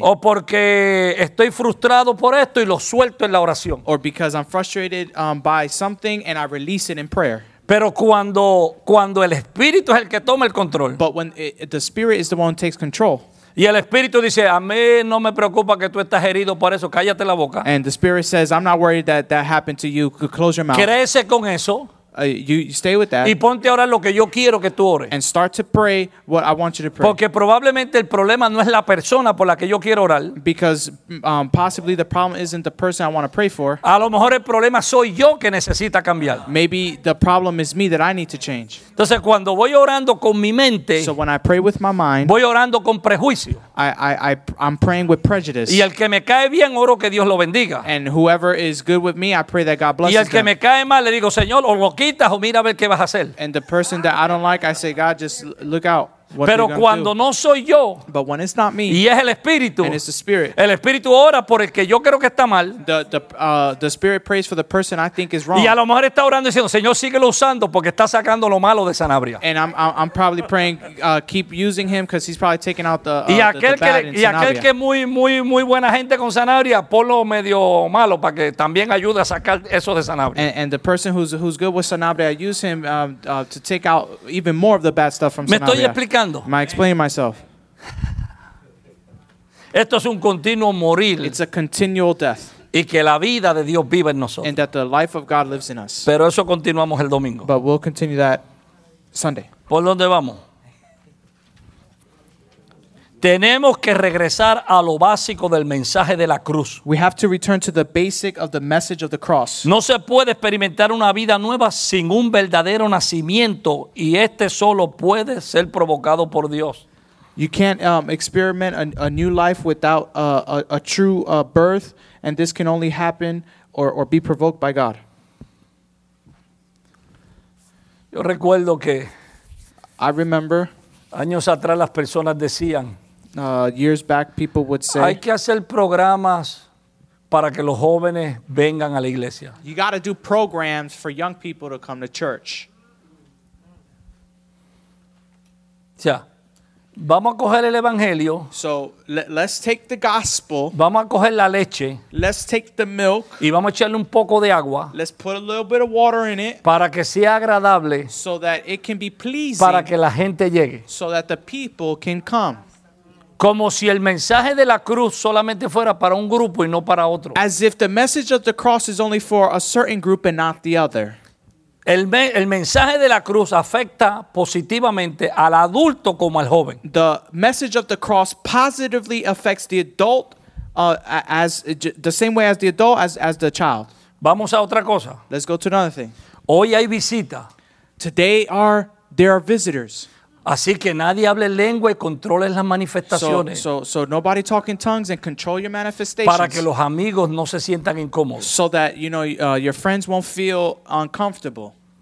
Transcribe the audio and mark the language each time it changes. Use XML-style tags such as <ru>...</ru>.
<es>O porque estoy frustrado por esto y lo suelto en la oración.</es> <en>Or because I'm frustrated by something and I release it in prayer.</en> <es>Pero cuando el Espíritu es el que toma el control.</es> <en>But when the Spirit is the one who takes control.</en> <es>Y el Espíritu dice, a mí no me preocupa que tú estás herido por eso, cállate la boca.</es> <en>And the Spirit says, I'm not worried that happened to you, close your mouth.</en> <es>Crece con eso.</es> <en>You stay with that.</en> <es>Y ponte a orar lo que yo quiero que tú ores.</es> <en>And start to pray what I want you to pray.</en> <es>Porque probablemente el problema no es la persona por la que yo quiero orar.</es> <en>Because possibly the problem isn't the person I want to pray for.</en> <es>A lo mejor el problema soy yo que necesita cambiar.</es> <en>Maybe the problem is me that I need to change.</en> <es>Entonces cuando voy orando con mi mente,</es> <en>so when I pray with my mind,</en> <es>voy orando con prejuicio.</es> <en>I'm praying with prejudice.</en> <es>Y el que me cae bien, oro que Dios lo bendiga.</es> <en>And whoever is good with me, I pray that God blesses them.</en> <es>Y el que</es> <en>them.</en> <es>Me cae mal, le digo, Señor, o lo quitas o mira a ver qué vas a hacer.</es> <en>And the person that I don't like, I say, God, just look out. What</en> <es>pero cuando</es> <en>do?</en> <es>No soy yo,</es> <en>but when it's not me,</en> <es>y es el Espíritu,</es> <en>and it's the Spirit,</en> <es>el Espíritu ora por el que yo creo que está mal.</es> <en>The Spirit prays for the person I think is wrong.</en> <es>Y a lo mejor está orando diciendo, Señor, síguelo usando porque está sacando lo malo de Sanabria.</es> <en>And I'm probably praying, keep using him because he's probably taking out the bad</en> <es>que,</es> <en>in Sanabria.</en> <es>Y aquel que muy muy muy buena gente con Sanabria, ponlo medio malo para que también ayude a sacar eso de Sanabria.</es> <en>And the person who's good with Sanabria, I use him to take out even more of the bad stuff from me Sanabria.</en> <es>Me estoy explicando.</es> <en>Am I explaining myself?</en> <es>Esto es un continuo morir.</es> <en>It's a continual death.</en> <es>Y que la vida de Dios vive en nosotros.</es> <en>And that the life of God lives in us.</en> <es>Pero eso continuamos el domingo.</es> <en>But we'll continue that Sunday.</en> <es>¿Por dónde vamos? Tenemos que regresar a lo básico del mensaje de la cruz.</es> <en>We have to return to the basic of the message of the cross.</en> <es>No se puede experimentar una vida nueva sin un verdadero nacimiento, y este solo puede ser provocado por Dios.</es> <en>You can't experiment a new life without a true birth, and this can only happen or be provoked by God.</en> <es>Yo recuerdo que</es> <en>I remember</en> <es>años atrás las personas decían,</es> <en>Years back, people would say,</en> <es>hay que hacer programas para que los jóvenes vengan a la iglesia.</es> <en>You got to do programs for young people to come to church.</en> <es>O sea, vamos a coger el evangelio.</es> <en>So let's take the gospel.</en> <es>Vamos a coger la leche.</es> <en>Let's take the milk.</en> <es>Y vamos a echarle un poco de agua.</es> <en>Let's put a little bit of water in it.</en> <es>Para que sea agradable.</es> <en>So that it can be pleasing.</en> <es>Para que la gente llegue.</es> <en>So that the people can come.</en> <es>Como si el mensaje de la cruz solamente fuera para un grupo y no para otro.</es> <en>As if the message of the cross is only for a certain group and not the other.</en> <es>El mensaje de la cruz afecta positivamente al adulto como al joven.</es> <en>The message of the cross positively affects the adult as the same way as the adult as the child.</en> <es>Vamos a otra cosa.</es> <en>Let's go to another thing.</en> <es>Hoy hay visita.</es> <en>Today there are visitors.</en> <es>Así que nadie hable lengua y controle las manifestaciones.</es> <en>So nobody talk in tongues and control your manifestations.</en> <es>Para que los amigos no se sientan incómodos.</es> <en>So that you know your friends won't feel uncomfortable.</en>